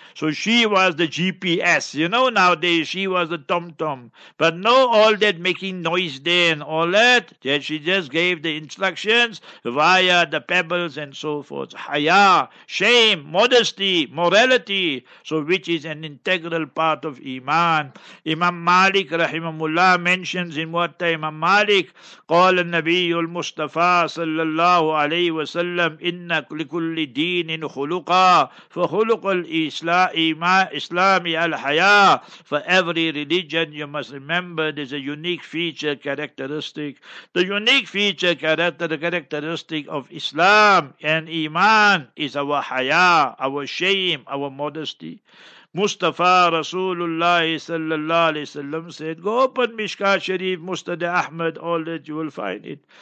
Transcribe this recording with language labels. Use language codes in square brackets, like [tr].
[en] So she was the GPS. You know, nowadays she was the tom-tom. But no, all that making noise there and all that, yeah, she just gave the instructions via the pebbles and so forth. Haya, shame, modesty, morality. So which is an integral part of Iman. Imam Malik rahimahullah mentions in what Imam Malik, [ar] قَالَ النَّبِيُّ الْمُصْطَفَى صَلَّى اللَّهُ عَلَيْهِ وَسَلَّمْ إِنَّكُ لِكُلِّ دِينٍ خُلُقًا فَخُلُقُ الْإِسْلَامِ الْحَيَاءِ. [en] For every religion, you must remember there's a unique feature, characteristic. The unique feature, characteristic of Islam and Iman is our haya, our shame, our modesty. Mustafa Rasulullah sallallahu alayhi wa sallam said, go open Mishkat Sharif, Mustada Ahmad, all that you will find it.